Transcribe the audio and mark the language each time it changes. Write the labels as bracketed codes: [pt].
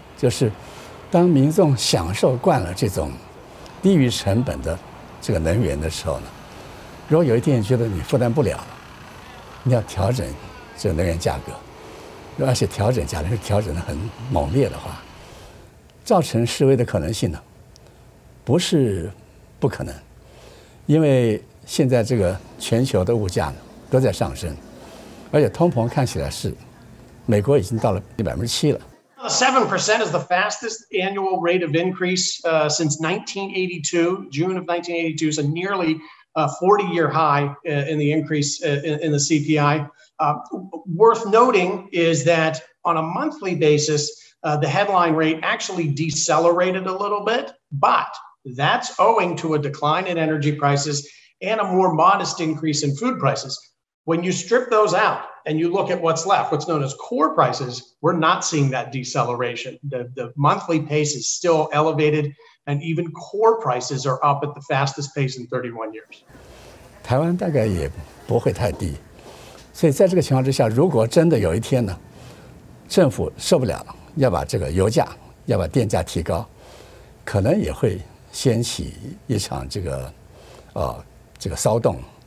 [zh] 就是当民众享受惯了这种低于成本的这个能源的时候呢，如果有一天觉得你负担不了，你要调整这个能源价格，而且调整假如是调整得很猛烈的话，造成示威的可能性呢不是不可能。因为现在这个全球的物价呢都在上升，而且通膨看起来是美国已经到了7%了。 [en] 7% is the fastest annual rate of increase since 1982, June of 1982, so nearly a 40-year high in the increase in the CPI. Worth noting is that on a monthly basis, the headline rate actually decelerated a little bit, but that's owing to a decline in energy prices and a more modest increase in food prices. When you strip those out,and you look at what's left, what's known as core prices, we're not seeing that deceleration. The monthly pace is still elevated, and even core prices are up at the fastest pace in 31 years. [zh] 台湾大概也不会太低，所以在这个情况之下，如果真的有一天呢，政府受不了，要把这个油价，要把电价提高，可能也会掀起一场这个，这个骚动。